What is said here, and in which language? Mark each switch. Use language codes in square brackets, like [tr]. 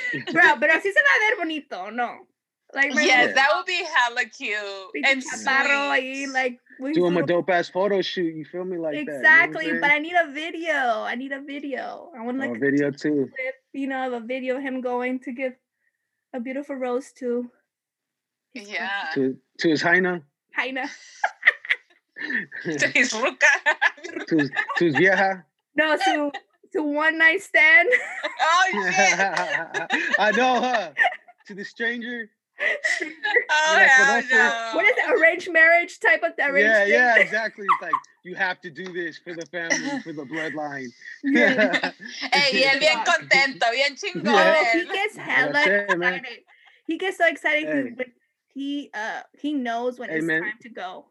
[es] Bro, pero así se va a ver bonito, no. [en] Like, right, yes, that would be hella cute. And chaparro [es] ahí, [en] like. Do him a dope-ass photo shoot. You feel me? Like exactly. you know, but I need a video. I need a video. I want, like, a video too. Clip, you know, of a video of him going to give a beautiful rose to. Yeah. To his Haina. Haina. To his Ruka. To his vieja. No, to one night stand. Oh, shit. I know, huh? To the stranger. Oh, like, yeah, no. What is it, arranged marriage type of arrangement? Yeah, yeah, exactly. It's like, you have to do this for the family, for the bloodline. [es] Hey, y el bien contento, bien chingón. [en] Oh, he gets hella excited. He gets so excited when he knows when it's time to go.